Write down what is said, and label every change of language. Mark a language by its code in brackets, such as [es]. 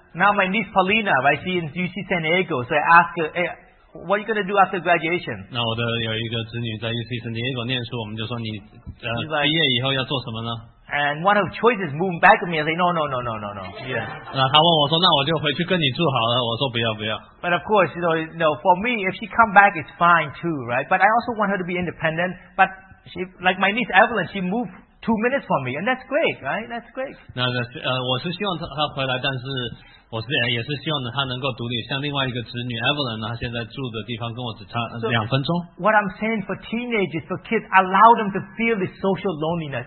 [en] Now my niece Paulina, right? She's in UC San Diego. So I ask her, hey, what are you going to do after graduation? [zh] 那我的有一个子女在 UC San Diego 念书，我们就说你 毕业以后要做什么呢？ [en] And one of choices moving back to me, I say, no. Yeah. [zh] 他问我说，那我就回去跟你住好了。我说不要。 [en] But of course, you know, for me, if she come back, it's fine too, right? But I also want her to be independent. But she, like my niece Evelyn, she moved 2 minutes from me, and that's great, right? That's great. [zh] 那我是希望她回来，但是我是也是希望她能够独立。像另外一个侄女 Evelyn 呢，她现在住的地方跟我只差两分钟。 [en] So, what I'm saying for teenagers, for kids, allow them to feel this social loneliness.